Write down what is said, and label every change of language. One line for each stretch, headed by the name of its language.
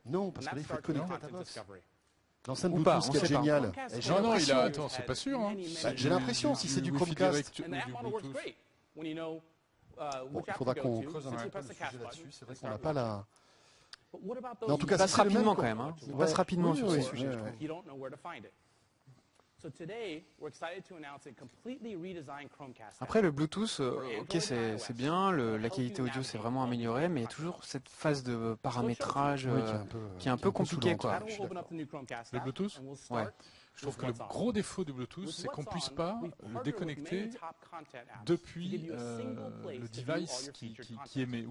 French: Non, parce que là, il faut connecter ta box. L'enceinte Bluetooth, c'est génial. Non, non, il a. Attends, c'est pas sûr. J'ai l'impression, si c'est du Chromecast. Bon, il faudra qu'on creuse un peu là-dessus. C'est vrai qu'on n'a pas la. Mais en tout cas, passe rapidement quand même. Hein. On passe rapidement sur ce sujet.
English: You don't know where to find it. So today, we're excited to announce a completely redesigned Chromecast.
French: Après, le Bluetooth, ok, c'est bien. La qualité audio s'est vraiment améliorée, mais il y a toujours cette phase de paramétrage qui est un peu compliquée, quoi. Le Bluetooth, ouais. Je trouve que le gros défaut du Bluetooth, c'est qu'on ne puisse pas le déconnecter depuis le device qui émet.